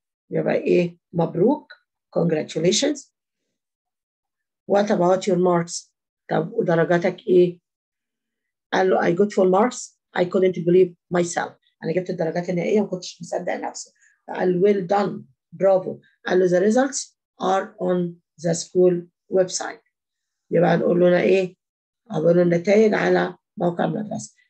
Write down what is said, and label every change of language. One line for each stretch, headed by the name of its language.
Arabic: يبقى إيه؟ مبروك.
English: Congratulations. What about your marks?
Arabic: طب ودرجاتك ايه؟ قال له
English: I got full marks. I couldn't believe myself.
Arabic: انا جبت الدرجات النهائيه ما كنتش مصدق نفسي. فقال له
English: well done. Bravo.
Arabic: قال له
English: the results are on the school website.
Arabic: يبقى نقول له انا ايه؟ اقول له النتائج على موقع المدرسه.